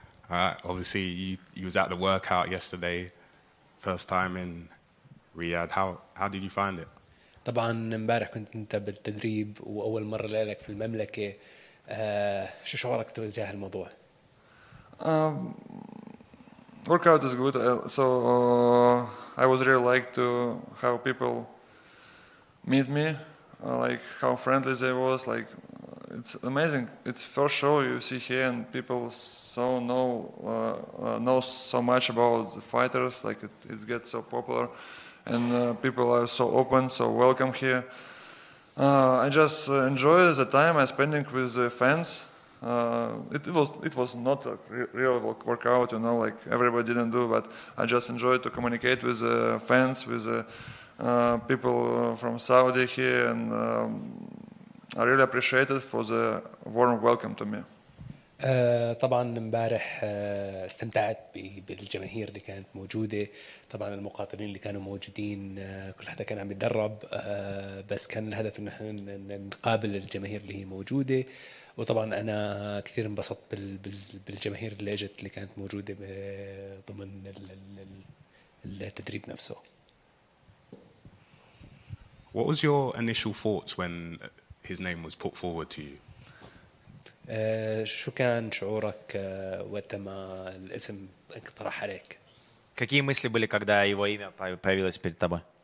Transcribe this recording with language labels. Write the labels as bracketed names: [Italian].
[English] Obviously, you was at the workout yesterday, first time in Riyadh. How did you find it? [Arabic] طبعا امبارح كنت انت بالتدريب واول مره لك في المملكه شو شعورك تجاه الموضوع [English] workout is good so I would really like to have people meet me like how friendly they was like it's amazing it's first show you see here and people so know so much about the fighters like it gets so popular And people are so open, so welcome here. I just enjoy the time I'm spending with the fans. It was not a real workout, you know, like everybody didn't do, but I just enjoy to communicate with the fans, with the people from Saudi here, and I really appreciate it for the warm welcome to me. [Arabic] طبعا امبارح استمتعت بالجماهير اللي كانت موجوده طبعا المقاتلين اللي كانوا موجودين كل حدا كان عم يتدرب بس كان الهدف ان احنا نقابل الجماهير اللي هي موجوده وطبعا انا كثير انبسطت بالجماهير اللي اجت اللي كانت موجوده ضمن التدريب نفسه. [English] What was your initial thoughts when his name was put forward to you? [Arabic] شو كان شعورك وقتما الاسم اقترح عليك؟ [Russian] Какие мысли были, когда его имя появилось перед тобой?